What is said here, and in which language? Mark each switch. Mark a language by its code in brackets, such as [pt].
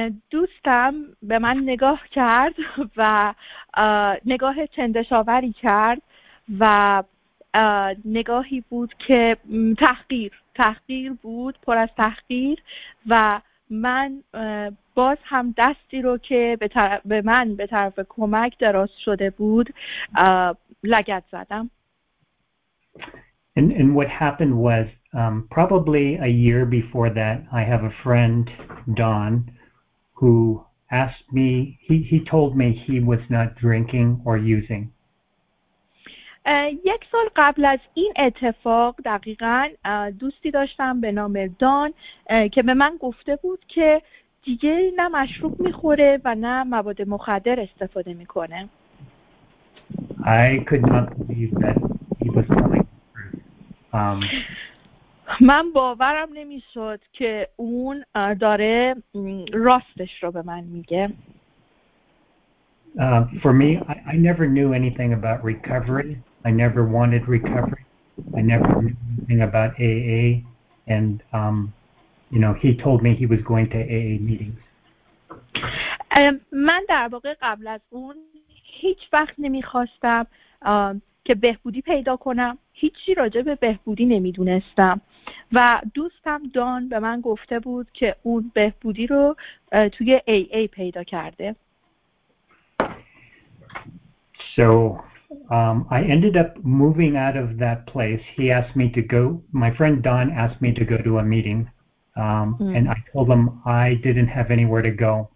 [fa] دوستم به من نگاه کرد و نگاه چندشاوری کرد و نگاهی بود که تحقیر بود، پر از تحقیر، و من باز هم دستی رو که به طرف کمک دراز شده بود لگد زدم. [en] And what happened was probably a year before that I have a friend, Don, who asked me, he told me he was not drinking or using. [fa] یک سال قبل از این اتفاق دقیقاً دوستی داشتم به نام دان که به من گفته بود که دیگه نه مشروب میخوره و نه مواد مخدر استفاده میکنه. [en] I could not believe that he was telling the truth. [fa] من باورم نمیشد که اون داره راستش رو به من میگه. [en] For me, I never knew anything about recovery. I never wanted recovery. I never knew anything about AA. And, you know, he told me he was going to AA meetings. [fa] من در واقع قبل از اون هیچ وقت نمیخواستم که بهبودی پیدا کنم. هیچی راجع به بهبودی نمیدونستم. و دوستم دان به من گفته بود که اون بهبودی رو توی AA پیدا کرده. [en] So I ended up moving out of that place. He asked me to go. My friend Don asked me to go to a meeting. And I told him I didn't have anywhere to go.